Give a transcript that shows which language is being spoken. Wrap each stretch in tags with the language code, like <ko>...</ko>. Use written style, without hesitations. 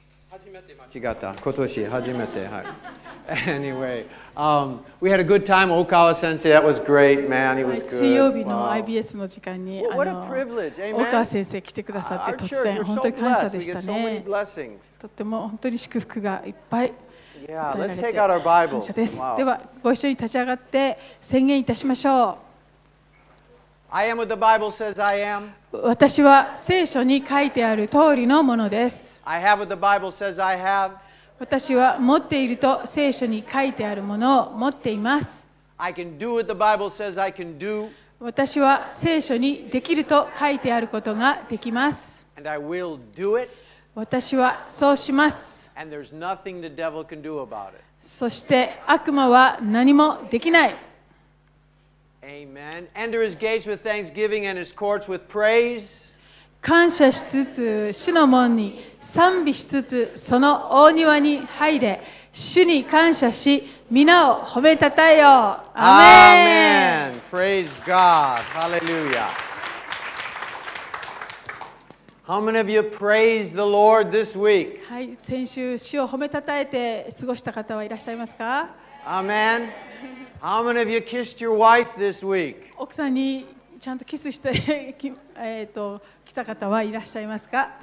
<ja>初めて間違った。今年初めて。はい。</ja> <en>Anyway, we had a good time. Okawa sensei, that was great, man. He was good.</en> <ja>水曜日の IBS の時間に、</ja> <en>wow. What a privilege, amen.</en> <ja>岡川先生来てくださって突然本当に感謝でしたね。</ja> <en>So many blessings.</en> <ja>とっても本当に祝福がいっぱい。</ja> <en>Yeah, let's take out our Bibles.</en> <ja>感謝です。Wow. ではご一緒に立ち上がって宣言いたしましょう。</ja> <en>I am what the Bible says I am.</en> <ja>私は聖書に書いてある通りのものです。</ja> <en>I have what the Bible says I have.</en> <ja>私は持っていると聖書に書いてあるものを持っています。</ja> <en>I can do what the Bible says I can do.</en> <ja>私は聖書にできると書いてあることができます。</ja> <en>And I will do it.</en> <ja>私はそうします。</ja> <en>And there's nothing the devil can do about it.</en> <ja>そして悪魔は何もできない。</ja> <en>Amen. Enter his gates with thanksgiving and his courts with praise.</en> <ja>感謝しつつ主の門に賛美しつつその大庭に入れ主に感謝し皆を褒めたたえよう。アーメン。</ja> <en>Praise God. Hallelujah. How many of you praised the Lord this week?</en> <ja>はい、先週主を褒めたたえて過ごした方はいらっしゃいますか？アーメン。</ja> <en>How many of you kissed your wife this week?</en> <ja>奥さんにちゃんとキスして来た方はいらっしゃいますか？</ja>